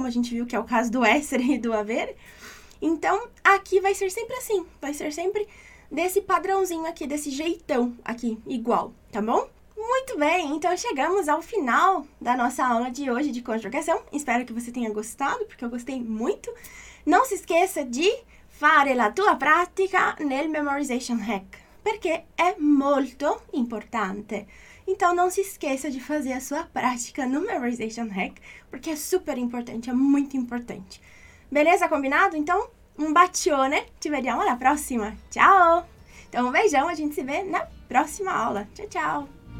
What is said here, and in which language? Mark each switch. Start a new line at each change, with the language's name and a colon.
Portuguese: Como a gente viu que é o caso do essere e do avere. Então, aqui vai ser sempre assim, vai ser sempre desse padrãozinho aqui, desse jeitão aqui, igual, tá bom? Muito bem, então chegamos ao final da nossa aula de hoje de conjugação. Espero que você tenha gostado, porque eu gostei muito.
Italian: Não se esqueça de fare la tua pratica nel memorization hack, perché è molto importante.
Portuguese: Então não se esqueça de fazer a sua prática no memorization hack, porque é super importante, é muito importante. Beleza, combinado? Então, um bacione, ci vediamo alla prossima. Ciao! Então, um beijão, a gente se vê na próxima aula. Tchau, tchau!